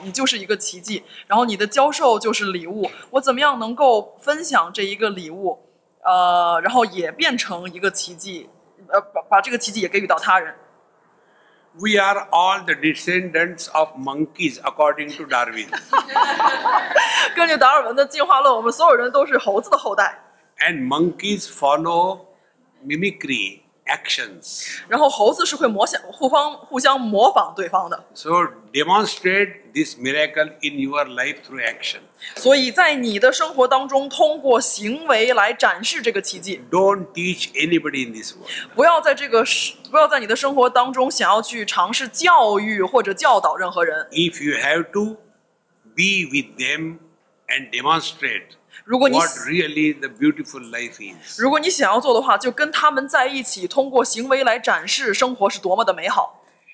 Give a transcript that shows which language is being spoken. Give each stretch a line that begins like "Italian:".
Chinese: 你就是一个奇迹，然后你的教授就是礼物。我怎么样能够分享这一个礼物？然后也变成一个奇迹，把这个奇迹也给予到他人。
English: We are all the descendants of monkeys, according to Darwin.
Chinese: 根据达尔文的进化论，我们所有人都是猴子的后代。
English: And monkeys follow mimicry actions.
Chinese: 然后猴子是会互相模仿对方的。
English: So demonstrate this miracle in your life through action.
Chinese: 所以在你的生活当中，通过行为来展示这个奇迹。
English: Don't teach anybody in this world.
Chinese: 不要在你的生活当中想要去尝试教育或者教导任何人。
English: If you have to be with them and demonstrate what really the beautiful life is.
Chinese: 如果你想要做的话，就跟他们在一起，通过行为来展示生活是多么的美好。